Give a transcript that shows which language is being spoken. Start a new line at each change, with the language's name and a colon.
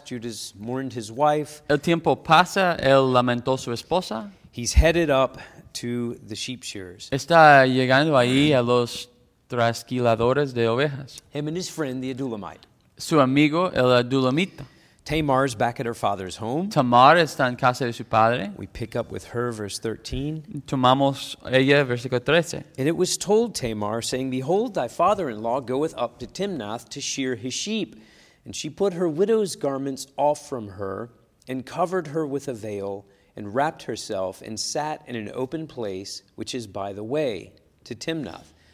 English: Judah's mourned his wife.
Spanish: El tiempo pasa. Él lamentó su esposa.
English: He's headed up to the sheep shearers.
Spanish: Está llegando ahí a los trasquiladores de ovejas.
English: Him and his friend, the Adullamite.
Spanish: Su amigo, el Adullamita.
English: Tamar's back at her father's home.
Spanish: Tamar está en casa de su padre.
English: We pick up with her, verse 13.
Spanish: Tomamos ella, versículo 13.
English: And it was told Tamar, saying, behold, thy father-in-law goeth up to Timnath to shear his sheep. And she put her widow's garments off from her, and covered her with a veil, and wrapped herself, and sat in an open place, which is by the way, to Timnath.